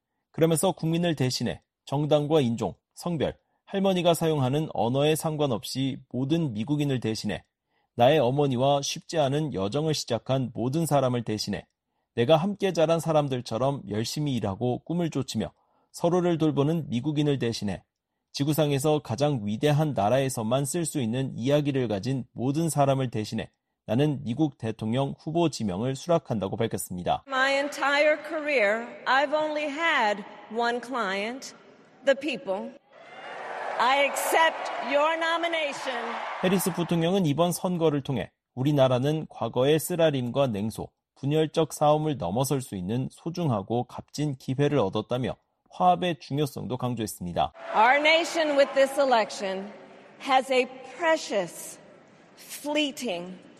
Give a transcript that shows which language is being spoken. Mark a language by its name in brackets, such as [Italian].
[Korean] 그러면서 국민을 대신해 정당과 인종, 성별, 할머니가 사용하는 언어에 상관없이 모든 미국인을 대신해 나의 어머니와 쉽지 않은 여정을 시작한 모든 사람을 대신해 내가 함께 자란 사람들처럼 열심히 일하고 꿈을 쫓으며 서로를 돌보는 미국인을 대신해 지구상에서 가장 위대한 나라에서만 쓸 수 있는 이야기를 가진 모든 사람을 대신해 나는 미국 대통령 후보 지명을 수락한다고 밝혔습니다. [English] My entire career, I've only had one client, the people. I accept your nomination. [Korean] 해리스 부통령은 이번 선거를 통해 우리나라는 과거의 쓰라림과 냉소, 분열적 싸움을 넘어설 수 있는 소중하고 값진 기회를 얻었다며 화합의 중요성도 강조했습니다. [English] Our nation with this election has a precious, fleeting.